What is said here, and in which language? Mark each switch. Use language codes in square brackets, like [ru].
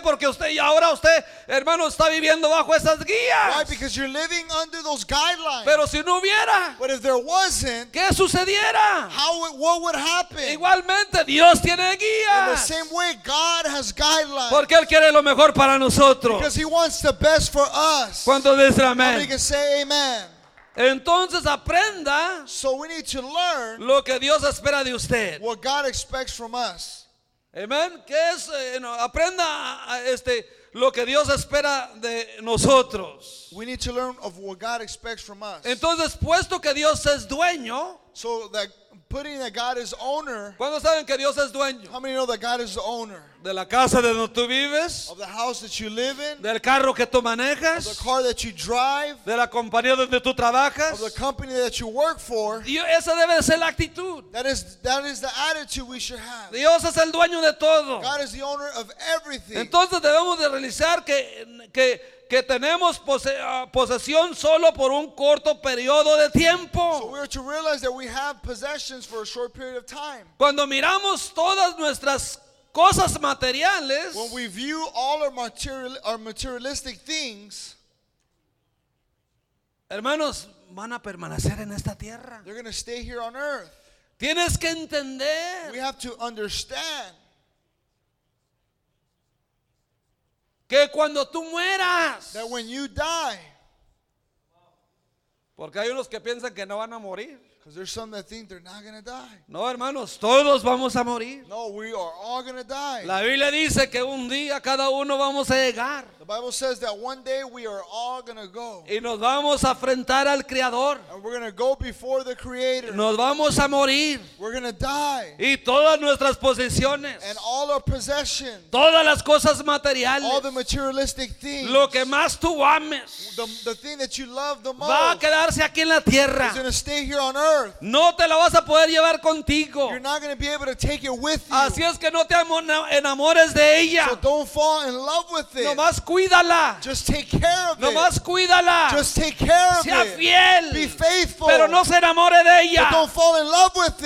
[es] Porque usted y ahora usted, hermano, está viviendo bajo esas guías. [en] Why? Because you're living under those guidelines. [es] Pero si no hubiera, [en] but if there wasn't, [es] ¿qué sucediera? [en] What would happen? [es] Igualmente, Dios tiene guías. [en] In the same way, God has guidelines. [es] Porque él quiere lo mejor para nosotros. [en] Because he wants the best for us. [es] ¿Cuánto dice amén? [en] Can say amen. [es] Entonces aprenda, [en] so we need to learn [es] lo que Dios espera de usted. [en] What God expects from us. Amen. [es] Que es, [en] you know, [es] aprenda lo que Dios espera de nosotros. [en] We need to learn of what God expects from us. [es] Entonces, puesto que Dios es dueño, [en] so that putting that God is owner. [es] ¿Cuántos saben que Dios es dueño? [en] How many know that God is the owner? [es] De la casa de donde tú vives. [en] Of the house that you live in. [es] Del carro que tú manejas. [en] Of the car that you drive. [es] De la compañía donde tú trabajas. [en] Of the company that you work for. [es] Dios, esa debe ser la actitud. [en] That is the attitude we should have. [es] Dios es el dueño de todo. [en] God is the owner of everything. [es] Entonces debemos de realizar que tenemos posesión solo por un corto periodo de tiempo. [en] So we are to realize that we have possessions for a short period of time. [es] Cuando miramos todas nuestras cosas materiales, [en] when we view all our materialistic things, [es] hermanos, van a permanecer en esta tierra. [en] They're going to stay here on earth. [es] Tienes que entender. [en] We have to understand. [es] Que cuando tú mueras. [en] That when you die. [es] Porque hay unos que piensan que no van a morir. [en] Because there's some that think they're not going to die. [es] No, hermanos, todos vamos a morir. [en] No, we are all going to die. [es] La Biblia dice que un día cada uno vamos a llegar. [en] The Bible says that one day we are all going to go. [es] Y nos vamos a enfrentar al Creador. [en] And we're going to go before the Creator. [es] Nos vamos a morir. [en] We're going to die. [es] Y todas nuestras posesiones. [en] And all our possessions. [es] Todas las cosas materiales. [en] All the materialistic things. [es] Lo que más tú ames. [en] The thing that you love the most. [es] Va a quedarse aquí en la tierra. [en] Is going to stay here on earth. [es] No te la vas a poder llevar contigo. [en] You're not going to be able to take it with you. [es] Así es que no te enamores de ella. [en] So don't fall in love with it. [es] Nomás cuídala. [en] Just take care of it. [es] Nomás cuídala. [en] Just take care of it. [es] Sea fiel. [en] Be faithful. [es] Pero no se enamore de ella. [en] But don't fall in love with it.